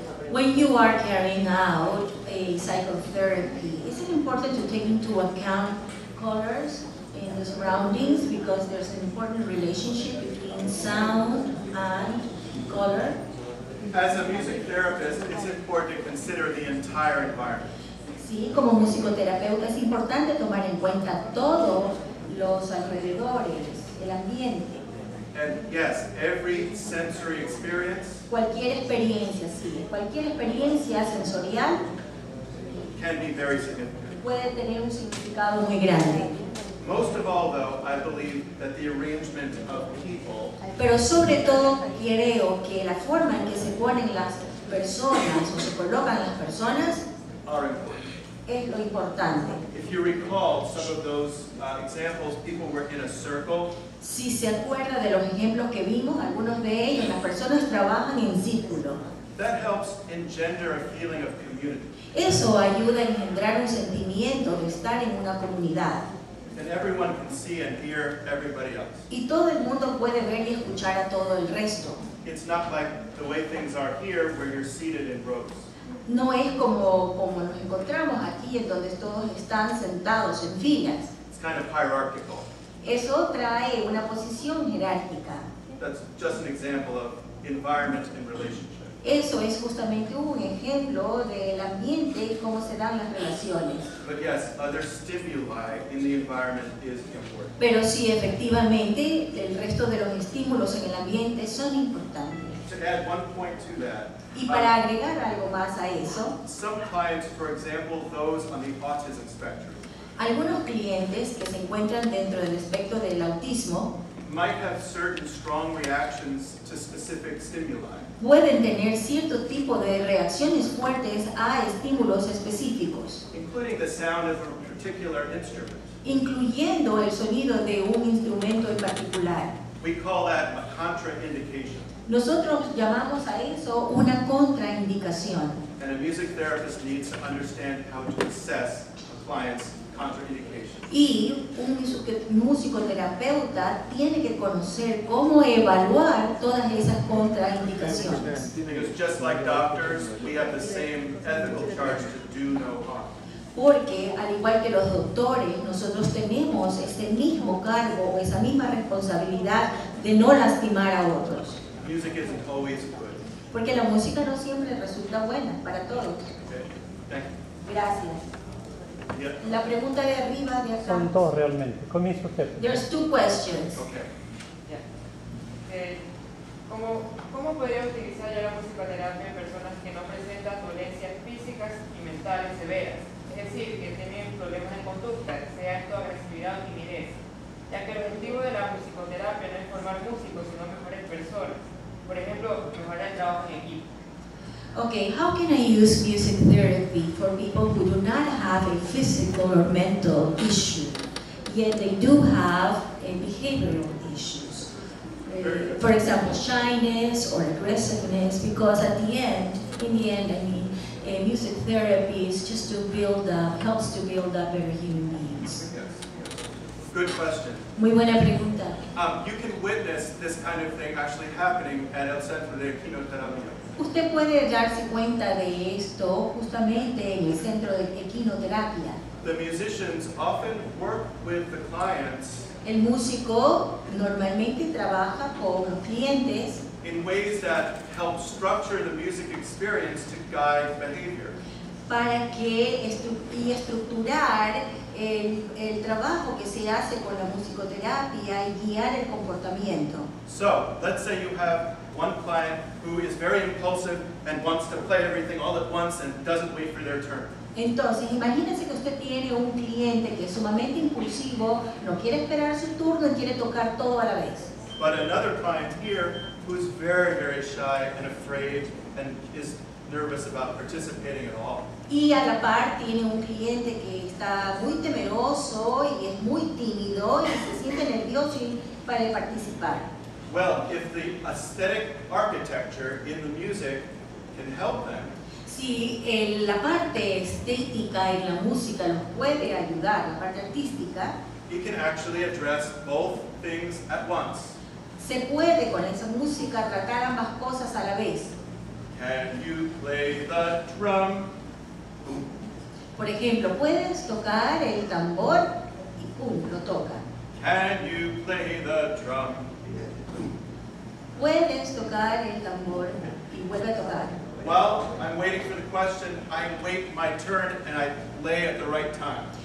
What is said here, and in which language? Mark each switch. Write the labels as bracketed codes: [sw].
[en] When you are carrying out a psychotherapy, is it important to take into account colors in the surroundings because there's an important relationship between sound and color? As a music therapist, it's important to consider the entire environment. [es] Sí, como musicoterapeuta es importante tomar en cuenta todos los alrededores, el ambiente. [en] And yes, every sensory experience, [es] cualquier experiencia, sí, cualquier experiencia sensorial [en] can be very significant. [es] Puede tener un significado muy grande. [en] Most of all, though, I believe that the arrangement of people, [es] pero sobre todo creo que la forma en que se ponen las personas o se colocan las personas [en] are important. [es] es lo importante. [en] If you recall some of those examples, people were in a circle. [es] Si se acuerda de los ejemplos que vimos, algunos de ellos, las personas trabajan en círculo. [en] That helps engender a feeling of community. [es] Eso ayuda a engendrar un sentimiento de estar en una comunidad. [en] And everyone can see and hear everybody else. [es] Y todo el mundo puede ver y escuchar a todo el resto. [en] It's not like the way things are here where you're seated in rows. [es] No es como nos encontramos aquí en donde todos están sentados en filas. [en] It's kind of hierarchical. [es] Eso trae una posición jerárquica. [en] That's just an example of environment and relationship. [es] Eso es justamente un ejemplo del ambiente y cómo se dan las relaciones. [en] But yes, other stimuli in the environment is important. [es] Pero sí, efectivamente, el resto de los estímulos en el ambiente son importantes. [en] To add one point to that, [es] y para agregar algo más a eso, [en] some clients, for example, those on the autism spectrum, [es] algunos clientes que se encuentran dentro del espectro del autismo [en] might have certain strong reactions to specific stimuli. [es] Pueden tener cierto tipo de reacciones fuertes a estímulos específicos, [en] including the sound of a particular instrument. [es] Incluyendo el sonido de un instrumento en particular. [en] We call that a contraindication. [es] Nosotros llamamos a eso una contraindicación. [en] And a music therapist needs to understand how to assess a client's contraindication. [es] Y un músico terapeuta tiene que conocer cómo evaluar todas esas contraindicaciones. [en] Because just like doctors, we have the same ethical charge to do no harm. [es] Porque al igual que los doctores, nosotros tenemos este mismo cargo o esa misma responsabilidad de no lastimar a otros. [en] Music isn't always good. [es] Porque la música no siempre resulta buena para todos. [en] Okay. [es] Gracias. [en] Yep. [es] La pregunta de arriba de acá. Son dos realmente. Comienzo usted. [en] There's two questions. Okay. Yeah. [es] ¿Cómo podría utilizar ya la musicoterapia en personas que no presentan dolencias físicas y mentales severas? Es decir, que tienen problemas de conducta, sea esto agresividad o timidez. Ya que el objetivo de la musicoterapia no es formar músicos, sino mejores personas. Por ejemplo, mejorar el trabajo en equipo. [en] Okay, how can I use music therapy for people who do not have a physical or mental issue, yet they do have a behavioral issues? For example, shyness or aggressiveness, because in the end, music therapy is just to helps to build up their human beings. Good question. [es] Muy buena pregunta. [en] You can witness this kind of thing actually happening at El Centro de Equinoterapia. [es] Usted puede darse cuenta de esto justamente en el centro de equinoterapia. [en] The musicians often work with the clients. [es] El músico normalmente trabaja con los clientes. [en] In ways that help structure the music experience to guide behavior. [es] Para que estructurar el trabajo que se hace con la musicoterapia y guiar el comportamiento. [en] So, let's say you have one client who is very impulsive and wants to play everything all at once and doesn't wait for their turn. [es] Entonces, imagínese que usted tiene un cliente que es sumamente impulsivo, no quiere esperar su turno y quiere tocar todo a la vez. [en] But another client here who is very, very shy and afraid and is nervous about participating at all. [es] Y a la par tiene un cliente que está muy temeroso y es muy tímido y se siente nervioso para participar. [en] Well, if the aesthetic architecture in the music can help them, [es] si la parte estética en la música los puede ayudar, la parte artística, [en] it can actually address both things at once. [es] Se puede con esa música tratar ambas cosas a la vez. [en] Can you play the drum? Boom. [es] Por ejemplo, ¿puedes tocar el tambor? Y pum, lo toca. [en] Can you play the drum? [es] Puedes tocar el tambor y vuelve a tocar. [en] Well, I'm waiting for the question. I wait my turn and I play at the right time.